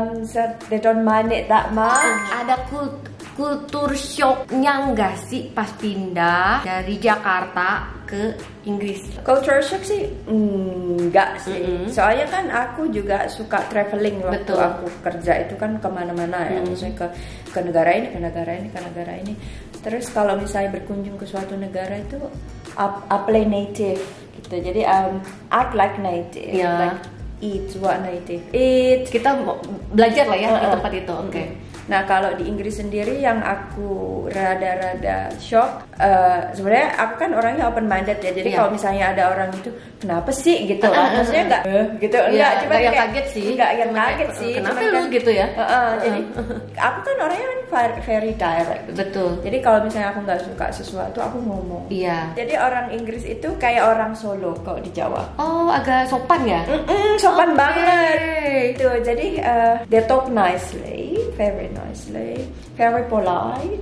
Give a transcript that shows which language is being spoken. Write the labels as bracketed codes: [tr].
[en] So they don't mind it that much. [id] Ada kultur. kultur shocknya enggak sih pas pindah dari Jakarta ke Inggris? Culture shock sih enggak sih. Mm-hmm. Soalnya kan aku juga suka traveling waktu Betul. Aku kerja itu kan kemana-mana ya. Mm-hmm. Misalnya ke negara ini, ke negara ini, ke negara ini. Terus kalau misalnya berkunjung ke suatu negara itu [en] apply native [id] gitu. Jadi [en] act like native. Yeah. Eat what native eat. [id] Kita belajar lah ya di tempat itu. Oke. Okay. Nah kalau di Inggris sendiri yang aku rada-rada shock, sebenarnya aku kan orangnya open minded ya. Jadi kalau misalnya ada orang itu, kenapa sih gitu? Maksudnya enggak gitu, enggak cuma yang kaget sih. Enggak yang kaget sih. Kenapa lu gitu ya? Jadi aku kan orangnya kan [en] very direct. [id] Betul. Jadi kalau misalnya aku enggak suka sesuatu, aku ngomong. Iya. Jadi orang Inggris itu kayak orang Solo kalau di Jawa. Oh, agak sopan ya? Sopan banget. Itu. Jadi [en] they talk nicely, very nicely, very polite.